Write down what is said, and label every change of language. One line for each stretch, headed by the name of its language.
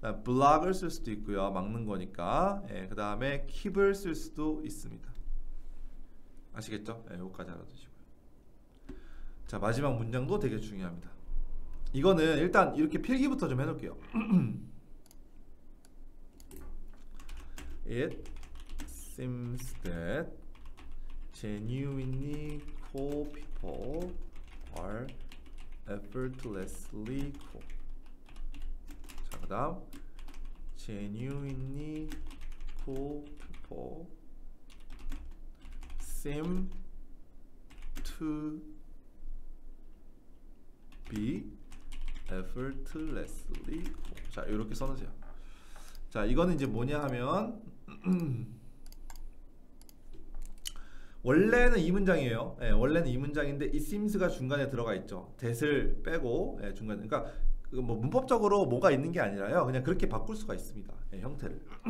Korean: block을 쓸 수도 있고요. 막는 거니까. 예, 그다음에 keep을 쓸 수도 있습니다. 아시겠죠? 예, 요거까지 알아두시고요. 자, 마지막 문장도 되게 중요합니다. 이거는 일단 이렇게 필기부터 좀 해놓을게요.
English: It seems that genuinely cool people are effortlessly cool.
Korean: 자, 그다음
English: genuinely cool people seem to be effortlessly.
Korean: 자, 이렇게 써놓으세요. 자, 이거는 이제 뭐냐 하면 원래는 이 문장이에요. 예, 원래는 이 문장인데 이 seems가 중간에 들어가 있죠. that을 빼고 예, 중간에. 그러니까 뭐 문법적으로 뭐가 있는 게 아니라요. 그냥 그렇게 바꿀 수가 있습니다. 예, 형태를.